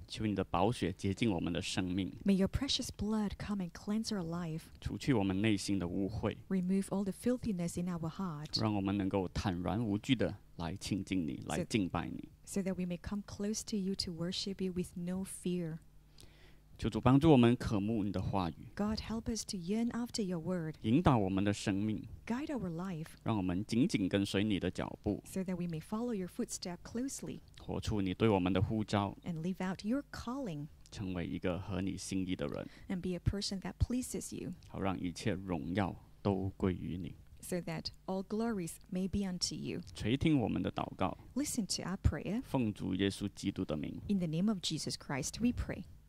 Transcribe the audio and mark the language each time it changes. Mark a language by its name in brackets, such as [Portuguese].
[Chinese] 求你的宝血洁净我们的生命。 [English] May your precious blood come and cleanse our life. [Chinese] 除去我们内心的污秽。 [English] Remove all the filthiness in our heart. [Chinese] 让我们能够坦然无惧的来亲近你，来敬拜你。 [English] So that we may come close to you to worship you with no fear. [Chinese] 求主帮助我们渴慕你的话语。 [English] God help us to yearn after your word. [Chinese] 引导我们的生命。 [English] Guide our life. [Chinese] 让我们紧紧跟随你的脚步。 [English] So that we may follow your footstep closely. [Chinese] 活出你对我们的呼召。 [English] And live out your calling. [Chinese] 成为一个合你心意的人。 [English] And be a person that pleases you. [Chinese] 好让一切荣耀都归于你。 [English] So that all glories may be unto you. [Chinese] 垂听我们的祷告。 [English] Listen to our prayer. [Chinese] 奉主耶稣基督的名。 [English] In the name of Jesus Christ, we pray.